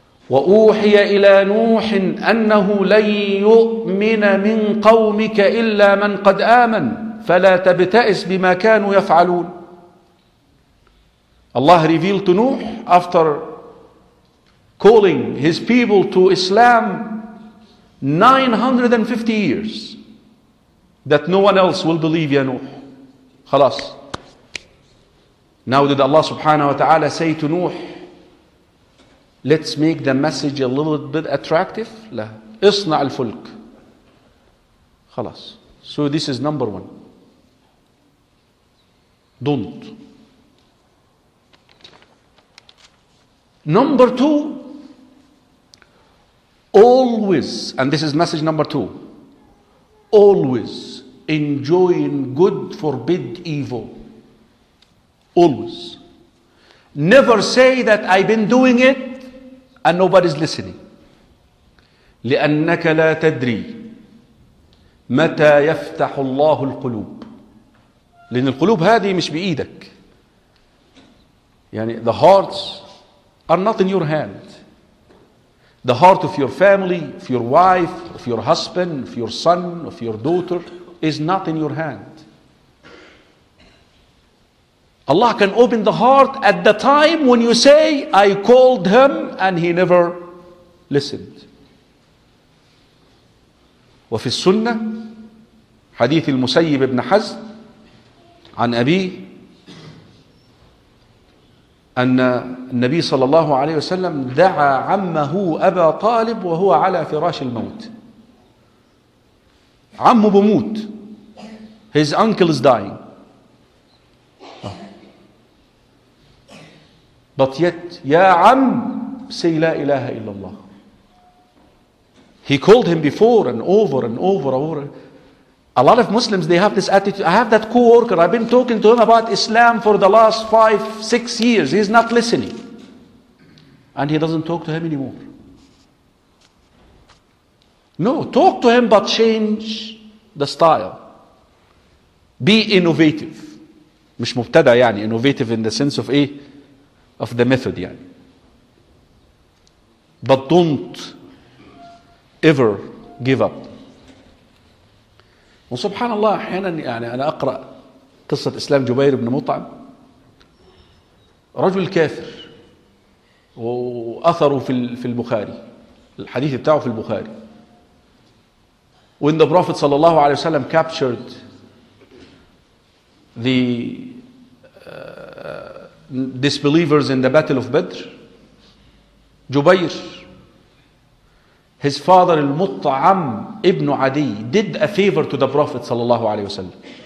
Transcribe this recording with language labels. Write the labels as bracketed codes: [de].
[ar] وأوحي إلى نوح أنه لن يؤمن من قومك إلا من قد آمن فلا تبتئس بما كانوا يفعلون. [en] Allah revealed to Nuh after calling his people to Islam 950 years that no one else will believe, ya Nuh. [ar] خلاص. [en] Now did Allah subhanahu wa ta'ala say to Nuh, let's make the message a little bit attractive? [ar] لا. اصنع الفلك. خلاص. [en] So this is number one. Don't. Number two, always, and this is message number two, always enjoying good forbid evil. Always. Never say that I've been doing it and nobody's listening. [ar] لأنك لا تدري متى يفتح الله القلوب. لأن القلوب هذه مش بإيدك. يعني [en] the hearts are not in your hand. The heart of your family, of your wife, of your husband, of your son, of your daughter is not in your hand. Allah can open the heart at the time when you say, I called him and he never listened. [ar] وفي السنة حديث المسيب بن حزم عن أبي أن النبي صلى الله عليه وسلم دعا عمه أبا طالب وهو على فراش الموت. عمه بموت. [en] His uncle is dying. But yet, [ar] يا عم, [en] say [ar] لا إله إلا الله. [en] He called him before and over and over and over. A lot of Muslims, they have this attitude. I have that co-worker. I've been talking to him about Islam for the last 5-6 years. He's not listening. And he doesn't talk to him anymore. No, talk to him, but change the style. Be innovative. [ar] مش مبتدع يعني. [en] Innovative in the sense of the method [ar] يعني. [en] But don't ever give up. [ar] وسبحان الله أحيانا يعني أنا أقرأ قصة إسلام جبير بن مطعم, رجل كافر وأثره في البخاري, الحديث بتاعه في البخاري. [en] When the Prophet [ar] صلى الله عليه وسلم [en] captured the disbelievers in the battle of Badr, Jubayr, his father المطعم ابن عدي, did a favor to the Prophet صلى الله عليه وسلم.